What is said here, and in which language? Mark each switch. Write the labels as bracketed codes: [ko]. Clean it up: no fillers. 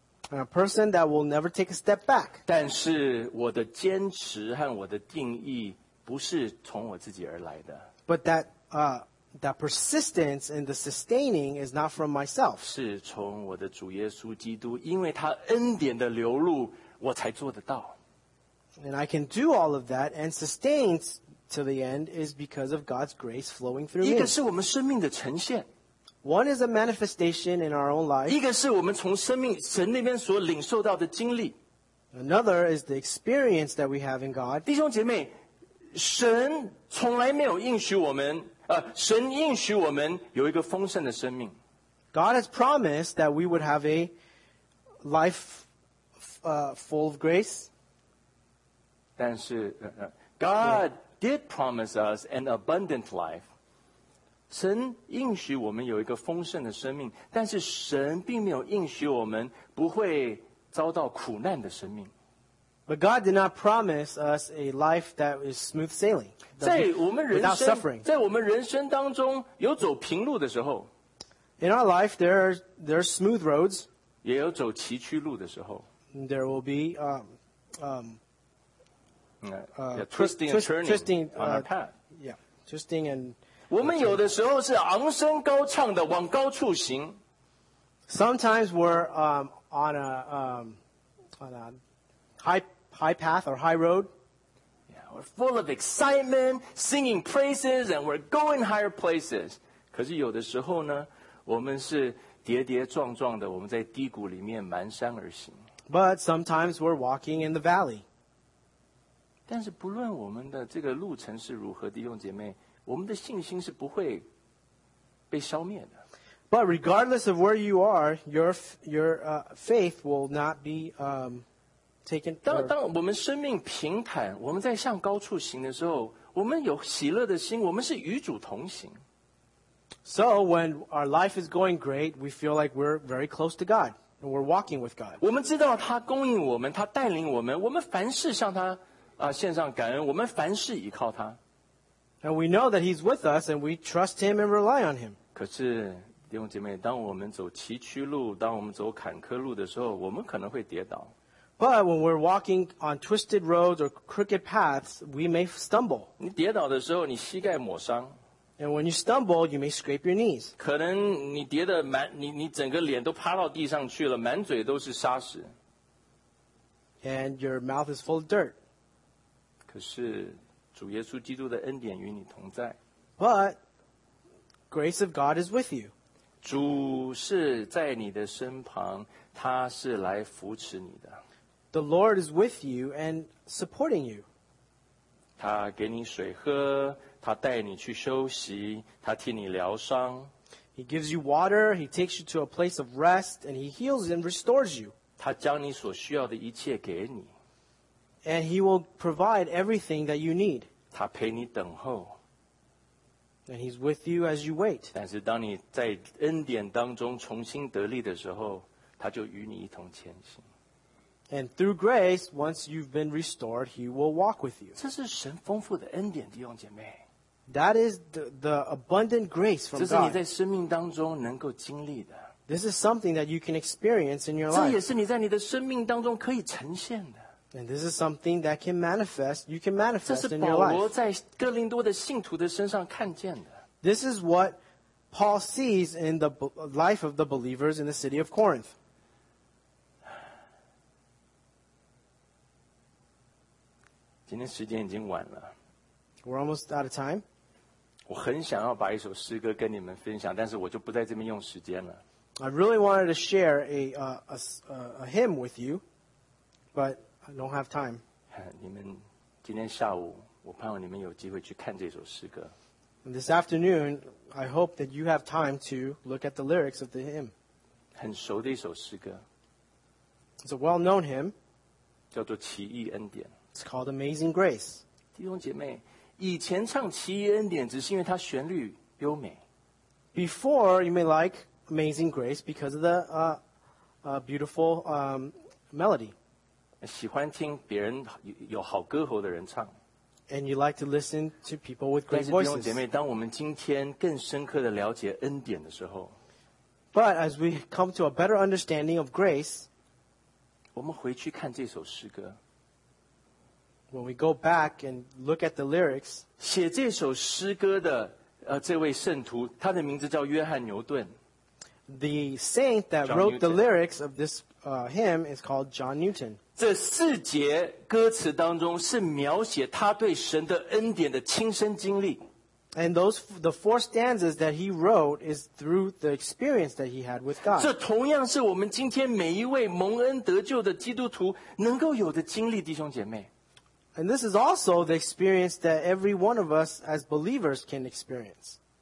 [en] I'm a person that will never take a step back. [zh] 但是我的坚持和我的定义不是从我自己而来的。 [en] But that persistence and the sustaining is not from myself. [zh] 是从我的主耶稣基督，因为他恩典的流露，我才做得到。 [en] And I can do all of that and sustain to the end is because of God's grace flowing through me. [zh] 一个是我们生命的呈现。 [en] One is a manifestation in our own life. [zh] 一个是我们从生命，神那边所领受到的经历。 [en] Another is the experience that we have in God. [zh] 弟兄姐妹，神从来没有应许我们，神应许我们有一个丰盛的生命。 [en] God has promised that we would have a life full of grace. [zh] 但是 [en] God did promise us an abundant life. [zh] 神应许我们有一个丰盛的生命，但是神并没有应许我们不会遭到苦难的生命。 [en] But God did not promise us a life that is smooth sailing, without suffering. [zh] 在我们人生当中有走平路的时候。 [en] In our life, there are smooth roads. [zh] 也有走崎岖路的时候。 [en] There will be twisting and turning. [zh] 我们有的时候是昂声高唱的往高处行。 [en] Sometimes we're on a high path or high road. Yeah, we're full of excitement, singing praises, and we're going higher places. [zh] 可是有的时候呢，我们是跌跌撞撞的，我们在低谷里面蹒跚而行。 [en] But sometimes we're walking in the valley. [zh] 但是不论我们的这个路程是如何，弟兄姐妹，我们的信心是不会被消灭的。 [en] But regardless of where you are, your faith will not be [zh] 当我们生命平坦，我们在向高处行的时候，我们有喜乐的心，我们是与主同行。 [en] So when our life is going great, we feel like we're very close to God, and we're walking with God. [zh] 我们知道他供应我们，他带领我们，我们凡事向他献上感恩，我们凡事依靠他。 [en] And we know that He's with us, and we trust Him and rely on Him. [zh] 可是弟兄姐妹，当我们走崎岖路，当我们走坎坷路的时候，我们可能会跌倒。 [en] But when we're walking on twisted roads or crooked paths, we may stumble. [zh] 你跌倒的时候，你膝盖抹伤。 [en] And when you stumble, you may scrape your knees. [zh] 可能你跌得满，你整个脸都趴到地上去了，满嘴都是沙石。 [en] And your mouth is full of dirt. [zh] 可是主耶稣基督的恩典与你同在。 [en] But grace of God is with you. [zh] 主是在你的身旁, 祂是来扶持你的。 [en] The Lord is with you and supporting you. [zh] 祂给你水喝, 祂带你去休息, 祂替你疗伤。 [en] He gives you water, He takes you to a place of rest, and He heals and restores you. [zh] 祂将你所需要的一切给你。 [en] And He will provide everything that you need. [zh] 祂陪你等候。 [en] And He's with you as you wait. [zh] 但是当你在恩典当中重新得力的时候, 祂就与你一同前行。 [en] And through grace, once you've been restored, He will walk with you. [zh] 这是神丰富的恩典，弟兄姐妹。 [en] That is the abundant grace from God. [zh] 这是你在生命当中能够经历的。 [en] This is something that you can experience in your life. [zh] 这也是你在你的生命当中可以呈现的。 [en] And this is something that can manifest, you can manifest in your life. [zh] 这是保罗在哥林多的信徒的身上看见的。 [en] This is what Paul sees in the life of the believers in the city of Corinth. [zh] 今天时间已经晚了。 [en] We're almost out of time. [zh] 我很想要把一首诗歌跟你们分享，但是我就不在这边用时间了。 [en] I really wanted to share a hymn with you, but I don't have time. [zh] 你们今天下午，我盼望你们有机会去看这首诗歌。 [en] This afternoon, I hope that you have time to look at the lyrics of the hymn. [zh] 很熟的一首诗歌。 [en] It's a well-known hymn. [zh] 叫做《奇异恩典》。 [en] It's called Amazing Grace. [zh] 弟兄姐妹。以前唱奇异恩典只是因为它旋律优美。 [en] Before, you may like Amazing Grace because of the beautiful melody. [zh] 喜欢听别人有好歌喉的人唱。 [en] And you like to listen to people with great voices. [zh] 但是弟兄姐妹, 当我们今天更深刻地了解恩典的时候, [en] But as we come to a better understanding of grace, [zh] 我们回去看这首诗歌。 [en] When we go back and look at the lyrics, [zh] 写这首诗歌的, 这位圣徒, 他的名字叫约翰牛顿, [en] The saint that John wrote Newton. The lyrics of this hymn is called John Newton. [zh] 这四节歌词当中是描写他对神的恩典的亲身经历。 [en] And the four stanzas that he wrote is through the experience that he had with God. [zh] 这同样是我们今天每一位蒙恩得救的基督徒能够有的经历，弟兄姐妹。 [en] And this is also the experience that every one of us as believers can experience.